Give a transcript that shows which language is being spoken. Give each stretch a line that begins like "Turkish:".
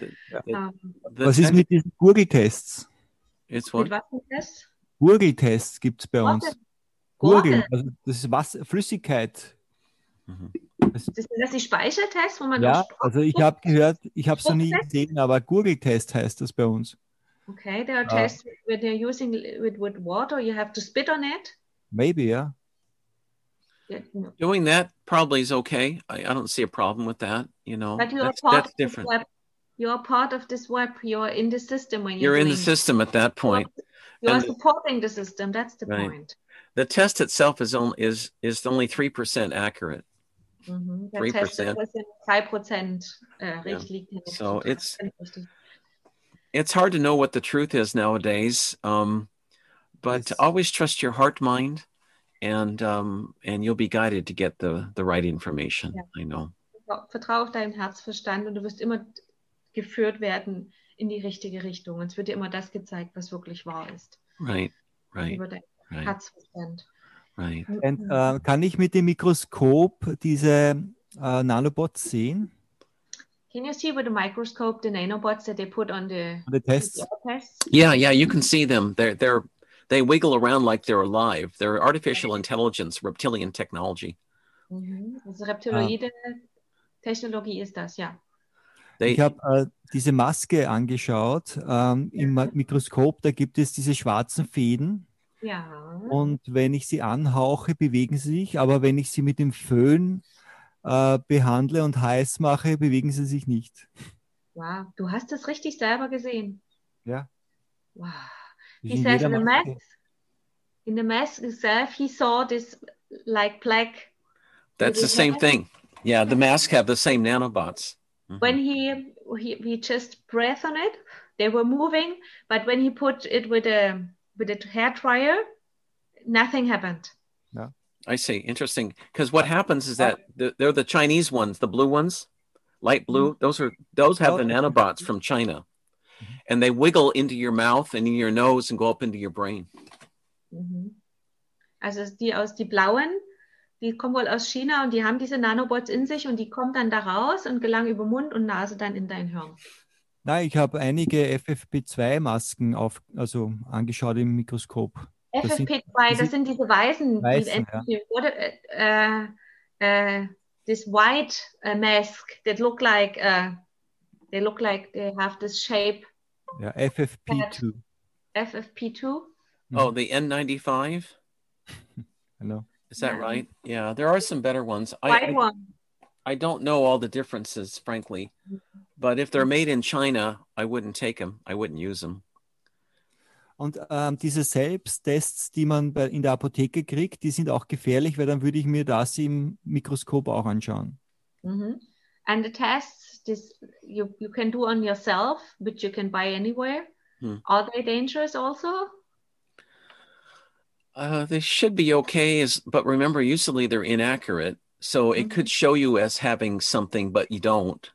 German: Was ist mit diesen Gurgeltests?
English: It's what?
German: Gurgeltests gibt es bei uns. Gurgel, also das ist Wasser, Flüssigkeit. Sind das die Speichertests, wo man ja, also ich habe gehört, ich habe es noch nie gesehen, aber Gurgeltest heißt das bei uns.
English: Okay, there are tests where they're using it with water, you have to spit on it. Maybe, yeah. Doing that probably is okay. I don't see a problem with that, you know. But you're that's different. You're part of this web. You're in the system when you're in the system at that point. You're supporting the system. That's the point. The test itself is only 3% accurate. Mm-hmm. 3%. So it's hard to know what the truth is nowadays. But always trust your heart, mind. And you'll be guided to get the right information. Yeah. I know.
German: Vertrau auf deinem Herzverstand und du wirst immer geführt werden in die richtige Richtung. Und es wird dir immer das gezeigt, was wirklich wahr ist.
English: Right.
German: Über dein Herzverstand.
English: Right.
German: Und kann ich mit dem Mikroskop diese Nanobots sehen?
English: Can you see with the microscope the nanobots that they put on the tests? Yeah, you can see them. They wiggle around like they're alive. They're artificial intelligence, reptilian technology.
German: Mm-hmm. Also reptiloide Technologie ist das, ja. Ich habe diese Maske angeschaut im Mikroskop. Da gibt es diese schwarzen Fäden. Ja. Und wenn ich sie anhauche, bewegen sie sich. Aber wenn ich sie mit dem Föhn behandle und heiß mache, bewegen sie sich nicht. Wow, du hast das richtig selber gesehen. Ja.
English: Wow. He says in the mask itself, he saw this like plaque. That's the same thing. Yeah, the mask have the same nanobots. Mm-hmm. When he just breathed on it, they were moving. But when he put it with a hair dryer, nothing happened. Yeah, I see. Interesting. Because what happens is that they're the Chinese ones, the blue ones, light blue. Mm-hmm. Those have the nanobots from China. And they wiggle into your mouth and in your nose and go up into your brain. Mm-hmm.
German: Also die blauen, die kommen wohl aus China und die haben diese Nanobots in sich und die kommen dann da raus und gelangen über Mund und Nase dann in dein Hirn. Nein, ich habe einige FFP2-Masken angeschaut im Mikroskop. Das sind diese weißen.
English: This white mask that look like... They look like they have this shape. Yeah, FFP2. FFP2? Oh, the N95? I know. Is that right? Yeah, there are some better ones. I don't know all the differences, frankly. But if they're made in China, I wouldn't take them. I wouldn't use them.
German: Und diese Selbsttests, die man in der Apotheke kriegt, die sind auch gefährlich, weil dann würde ich mir das im Mikroskop auch anschauen.
English: Mm-hmm. And the tests? This you can do on yourself, which you can buy anywhere. Hmm. Are they dangerous also? They should be okay, but remember, usually they're inaccurate. So mm-hmm. It could show you as having something, but you don't.